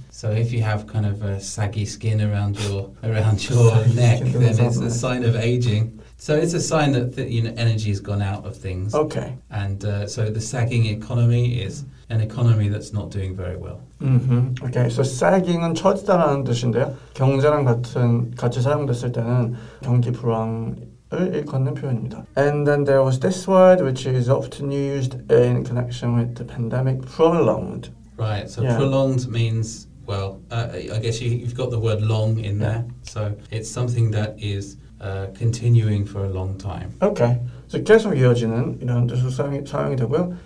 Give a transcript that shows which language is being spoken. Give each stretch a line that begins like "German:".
English: So if you have kind of a saggy skin around your neck, then it's a sign of aging. So it's a sign that you know, energy has gone out of things. Okay. And so the sagging economy is an economy that's not doing very well. Mm-hmm. Okay, so
Korean: sagging은 처지다라는 뜻인데요. 경제랑 같이 사용됐을 때는 경기 불황 일컫는 표현입니다.
English: And then there was this word, which is often used in connection with the pandemic, prolonged. Right, so yeah. Prolonged means, well, I guess you've got the word long in there. So it's something that is continuing for a long time. Okay, so
Korean: 계속 이어지는 이런 뜻으로 사용이 되고요.